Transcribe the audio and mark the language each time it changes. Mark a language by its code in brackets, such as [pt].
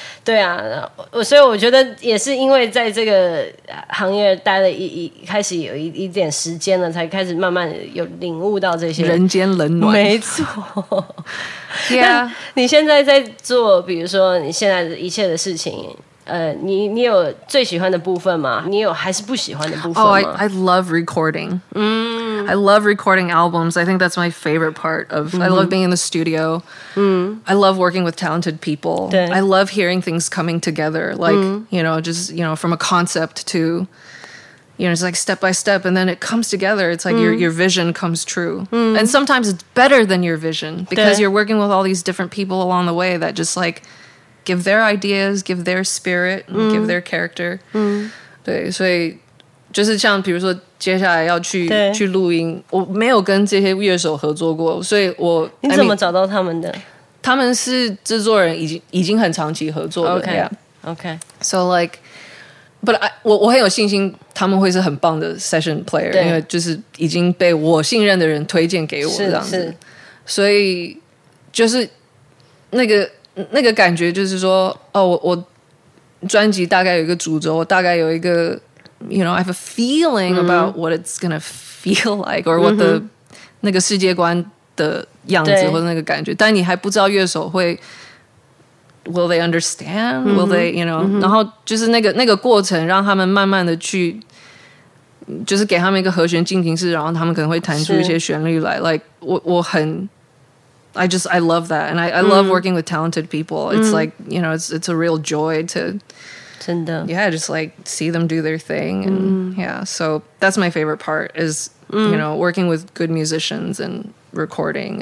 [zh] 对啊，所以我觉得也是因为在这个行业待了一开始有一点时间了，才开始慢慢有领悟到这些人间冷暖。没错。 [en] Yeah. [zh] 你现在在做比如说你现在一切的事情，你有最喜欢的部分吗？你有还是不喜欢的部分吗？ [en] Oh, I love recording. I love recording albums. I think that's my favorite part of,、mm-hmm. I love being in the studio.、 Mm-hmm. I love working with talented people. I love hearing things coming together, like,、mm-hmm. you know, just, you know, from a concept to, you know, it's like step by step, and then it comes together. It's like、mm-hmm. your vision comes true.、 Mm-hmm. And sometimes it's better than your vision, because you're working with all these different people along the way that just, like,give their ideas, give their spirit, and、mm. give their character.、 Mm. [zh] 对，所以就是像比如说接下来要去录音，我没有跟这些乐手合作过，所以我你怎么找到他们的？他们是制作人，已经很长期合作的。 [en] Okay. Yeah. Okay. So like, but I, [zh] 我很有信心他们会是很棒的 session player, 因为就是已经被我信任的人推荐给我这样子。所以就是那个感觉就是说，哦，我专辑大概有一个主轴，我大概有一个 ， [en] you know, I have a feeling about what it's gonna feel like, or what the、 [zh] mm-hmm. 那个世界观的样子或者那个感觉。但你还不知道乐手会 [en] ，will they understand?、Mm-hmm. Will they, you know?、Mm-hmm. [zh] 然后就是那个过程，让他们慢慢的去，就是给他们一个和弦进行式，然后他们可能会弹出一些旋律来。 Like 我很。 [en] I love that, and I love working with talented people. It's like, you know, it's a real joy to, [zh] 真的 [en] yeah, just like see them do their thing, and yeah. So that's my favorite part is, you know, working with good musicians and recording.